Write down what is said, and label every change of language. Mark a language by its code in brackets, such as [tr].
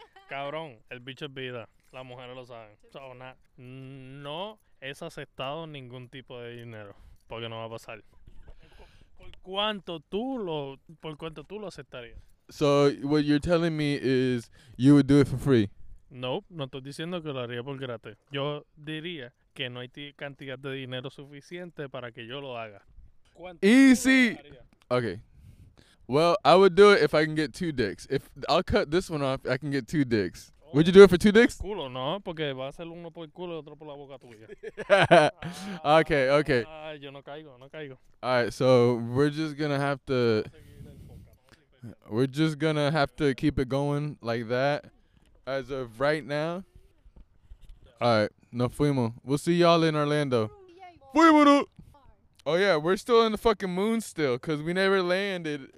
[es] Cabrón, el bicho es vida. Las mujeres lo saben. No es aceptado ningún tipo de dinero. Porque no va a pasar. ¿Por cuánto tú lo aceptarías? [en] So, what you're telling me is you would do it for free. [es] No estoy diciendo que lo haría por gratis. Yo diría que no hay cantidad de dinero suficiente para que yo lo haga. [en] Easy. Okay. Well, I would do it if I can get two dicks. If I'll cut this one off, I can get two dicks. Oh, would you do it for two dicks? [es] Culo, no, porque va a ser uno por el culo y otro por la boca tuya. [en] okay. [es] Ay, yo no caigo. [en] All right, so we're just gonna have to keep it going like that. As of right now, alright, [es] nos fuimos. [en] We'll see y'all in Orlando. [es] Fuimos! [en] Oh yeah, we're still in the fucking moon still, because we never landed.